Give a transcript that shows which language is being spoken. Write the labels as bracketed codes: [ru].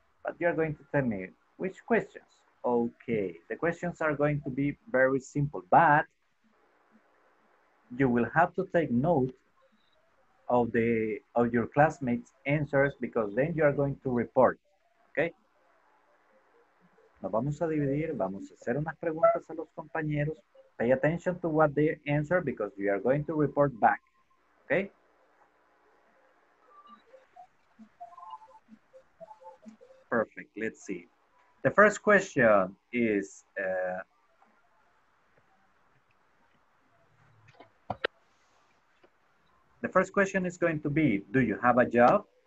[en] But you are going to tell me which questions. Okay, the questions are going to be very simple, but you will have to take note of your classmates' answers, because then you are going to report, okay? [es] Nos vamos a dividir, vamos a hacer unas preguntas a los compañeros. [en] Pay attention to what they answer, because you are going to report back, okay? Perfect, let's see. The first question is, the first question is going to be, do you have a job?